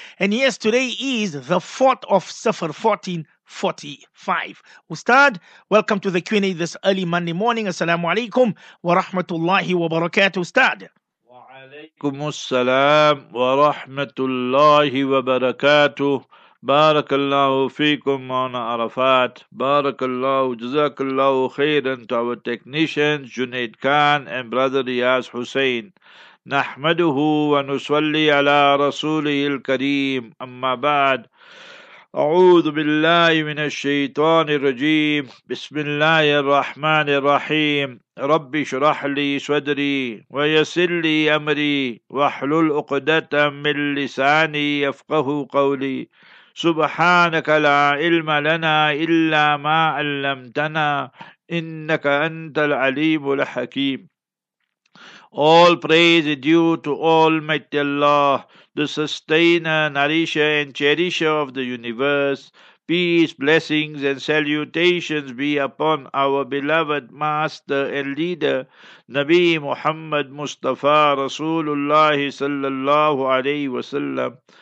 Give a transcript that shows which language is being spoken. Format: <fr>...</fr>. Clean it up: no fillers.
<en>And yes, today is the 4th of Safar, 1445. Ustad, welcome to the Q&A this early Monday morning. Assalamu alaikum wa rahmatullahi wa barakatuh, Ustad.</en> <ar>عليكم السلام ورحمة الله وبركاته بارك الله فيكم مولانا عرفات بارك الله جزاك الله خيرا</ar> <en>to our technicians Junaid Khan and brother Riyaz Hussein</en> <ar>نحمده ونصلي على رسوله الكريم أما بعد أعوذ بالله من الشيطان الرجيم بسم الله الرحمن الرحيم رب اشرح لي صدري ويسر لي أمري واحلل عقدة من لساني يفقه قولي سبحانك لا علم لنا إلا ما علمتنا إنك أنت العليم الحكيم.</ar> <en>All praise is due to Almighty Allah, the sustainer, nourisher and cherisher of the universe. Peace, blessings and salutations be upon our beloved master and leader, Nabi Muhammad Mustafa Rasulullah sallallahu alayhi wa sallam.</en>